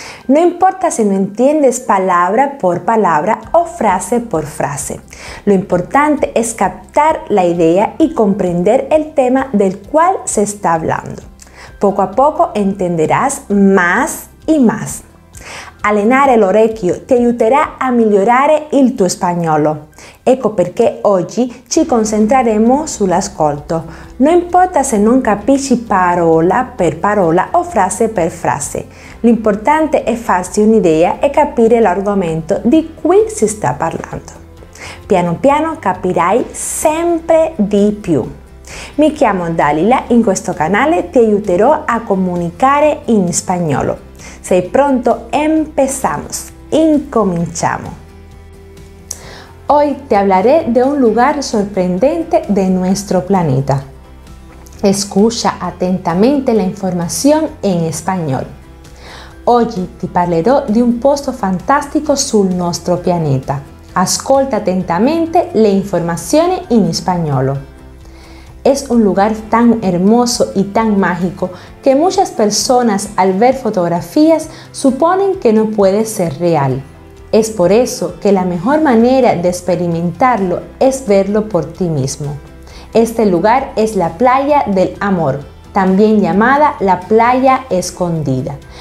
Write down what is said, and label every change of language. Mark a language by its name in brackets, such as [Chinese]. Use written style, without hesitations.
[Spanish] No importa si no entiendes palabra por palabra o frase por frase. Lo importante es captar la idea y comprender el tema del cual se está hablando. Poco a poco entenderás más y más. [Italian] Allenare l'orecchio ti aiuterà a migliorare il tuo spagnolo. Ecco perché oggi ci concentreremo sull'ascolto. Non importa se non capisci parola per parola o frase per frase. L'importante è farsi un'idea e capire l'argomento di cui si sta parlando. Piano piano capirai sempre di più. Mi chiamo Dalila, in questo canale ti aiuterò a comunicare in spagnolo. Sei pronto? [Spanish] Empezamos. [Italian] Incominciamos. [Spanish] Hoy te hablaré de un lugar sorprendente de nuestro planeta. Escucha atentamente la información en español. Hoy te [Italian] parlerò de un posto fantástico sul nostro pianeta. Ascolta atentamente le informazioni in spagnolo. [Spanish] Es un lugar tan hermoso y tan mágico que muchas personas al ver fotografías suponen que no puede ser real. Es por eso que la mejor manera de experimentarlo es verlo por ti mismo. Este lugar es la Playa del Amor, también llamada la Playa Escondida.